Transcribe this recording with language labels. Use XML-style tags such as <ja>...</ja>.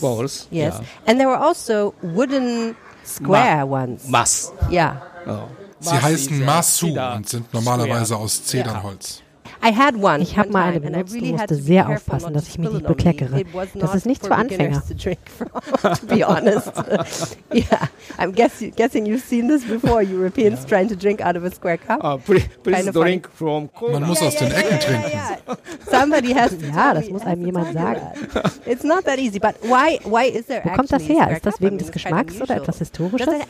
<en>Bowls, yes. Yeah. And there were also wooden square ones. Mas. Yeah. Sie heißen Masu und sind normalerweise aus Zedernholz. Yeah. I had one.</en> <de>Ich habe mal eine benutzt und musste sehr aufpassen, dass ich mich nicht bekleckere. Das ist nichts für Anfänger.</de> <en>To be honest. Yeah, I'm guessing you've seen this before, Europeans trying to drink out of a square cup. Please drink from</en> <de>corner. Man muss aus den Ecken trinken.</de> <en>Somebody has</en> <de>Ja, das muss einem jemand sagen.</de> <en>It's not that easy, but why is there</en> <de>Wo kommt das her? Ist das wegen des Geschmacks oder etwas Historisches?</de>